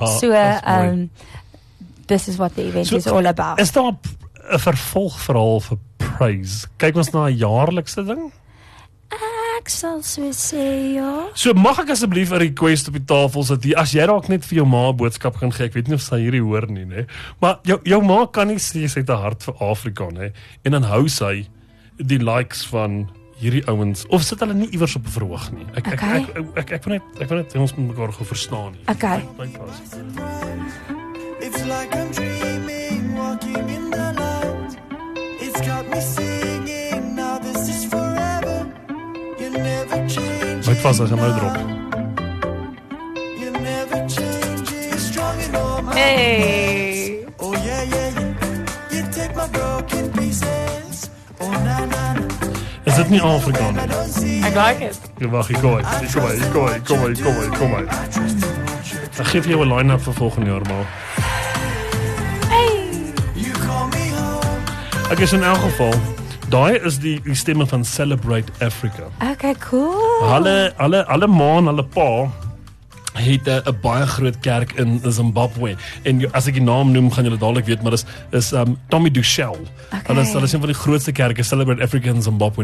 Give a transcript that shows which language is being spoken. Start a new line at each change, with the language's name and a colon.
English: so, this is what the event is all about.
Afrikaans: Is daar 'n vervolgverhaal vir praise? Kyk ons na 'n jaarlikse ding? Ek sal so sê, ja. So mag ek asseblief 'n request op die tafel sit, as jy dalk net vir jou ma boodskap gaan gee, ek weet nie of sy hierdie hoor nie, ne? Maar jou ma kan nie sê, sy het 'n hart vir Afrika, ne? En dan hou sy die likes van hierdie ouens, of sit hulle nie iewers op 'n verhoog nie. Ek wil net ons met mekaar gou verstaan nie. Okay.
English: It's like I'm dreaming, walking in the light. It's got me singing, now this is forever. You never change.
Afrikaans: Wat was as jy nou drop?
English: You never change, strong in all my ways. Hey. Oh yeah, yeah. You take my broken pieces. Oh na na.
Afrikaans: Is dit nie Afrika nie?
English: I like it.
Afrikaans: Wacht, kom maar. Ek geef jou een line-up vir volgende jaar, maar. Hey! Ek is in elk geval, daai is die stemme van Celebrate Africa. Okay, cool. Hulle ma en hulle pa het 'n baie groot kerk in Zimbabwe. En as ek die naam noem, gaan julle dadelik weet, maar is Tommy Duchel. Okay. Hulle is een van die grootste kerke, Celebrate Africa in Zimbabwe.